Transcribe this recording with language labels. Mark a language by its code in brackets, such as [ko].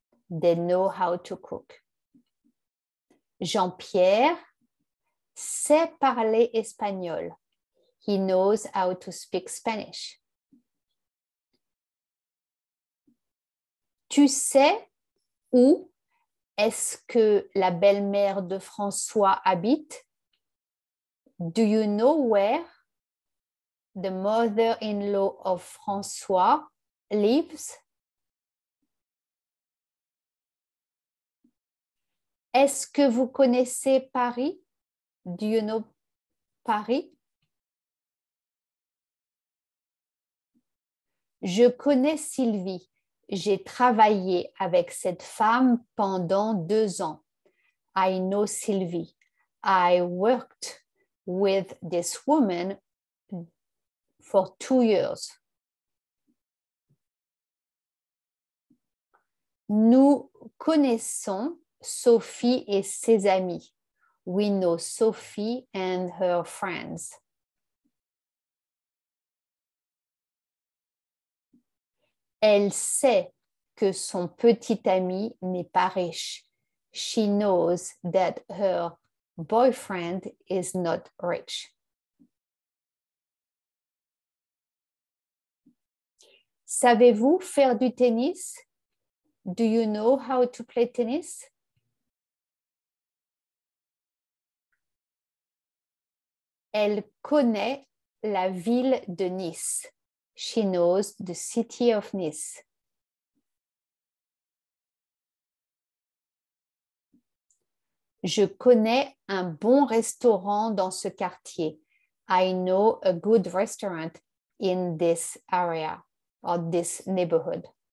[en] They know how to cook. Jean-Pierre [fr] sait parler espagnol. [en] He knows how to speak Spanish. [fr] Tu sais où est-ce que la belle-mère de François habite? [en] Do you know where the mother-in-law of François lives? [fr] Est-ce que vous connaissez Paris? [en] Do you know Paris? [fr] Je connais Sylvie. J'ai travaillé avec cette femme pendant 2 ans. [en] I know Sylvie. I worked with this woman for 2 years. [fr] Nous connaissons Sophie et ses amis. [en] We know Sophie and her friends. [fr] Elle sait que son petit ami n'est pas riche. [en] She knows that her boyfriend is not rich. [fr] Savez-vous faire du tennis? [en] Do you know how to play tennis? [fr] Elle connaît la ville de Nice. [en] She knows the city of Nice. [fr] Je connais un bon restaurant dans ce quartier. [en] I know a good restaurant in this area or this neighborhood.